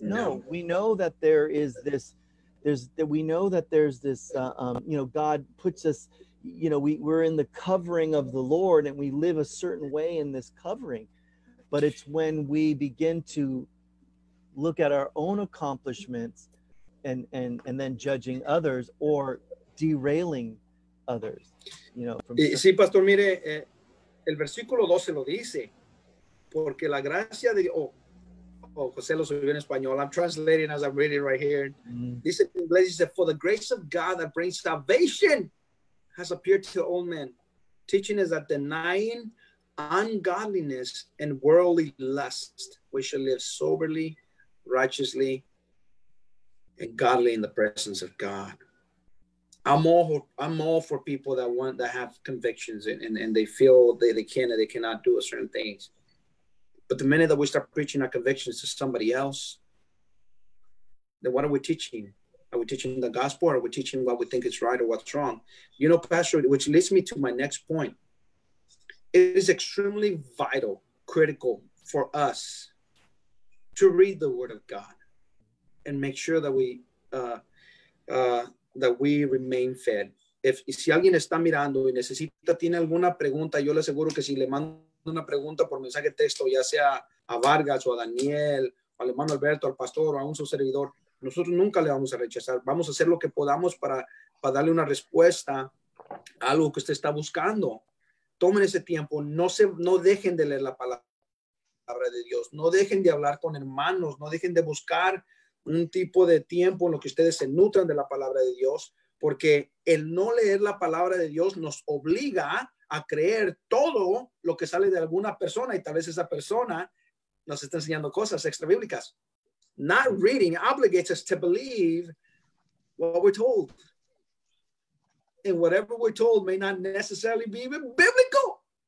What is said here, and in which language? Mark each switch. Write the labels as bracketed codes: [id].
[en] No, we know that God puts us, you know, we're in the covering of the Lord and we live a certain way in this covering. But it's when we begin to look at our own accomplishments and then judging others or derailing others, you know. [es] Sí, pastor, mire, el versículo 12 lo dice, porque la gracia de José lo subió en español. [en] I'm translating as I'm reading right here. [es] Dice en inglés, dice, [en] for the grace of God that brings salvation has appeared to all men, teaching us that denying ungodliness and worldly lust, we should live soberly, righteously, and godly in the presence of God. I'm all for people that have convictions and they feel they can and they cannot do certain things. But the minute that we start preaching our convictions to somebody else, then what are we teaching? Are we teaching the gospel or are we teaching what we think is right or what's wrong? You know, Pastor, which leads me to my next point. It is extremely vital, critical for us to read the Word of God and make sure that we remain fed. [es] Si alguien está mirando y necesita, tiene alguna pregunta, yo le aseguro que si le mando una pregunta por mensaje texto, ya sea a Vargas o a Daniel, o a Alemán Alberto, al pastor o a un su servidor, nosotros nunca le vamos a rechazar. Vamos a hacer lo que podamos para darle una respuesta a algo que usted está buscando. Tomen ese tiempo, no dejen de leer la palabra de Dios, no dejen de hablar con hermanos, no dejen de buscar un tipo de tiempo en lo que ustedes se nutran de la palabra de Dios, porque el no leer la palabra de Dios nos obliga a creer todo lo que sale de alguna persona y tal vez esa persona nos está enseñando cosas extra bíblicas. [en] Not reading obligates us to believe what we're told. And whatever we're told may not necessarily be even biblical.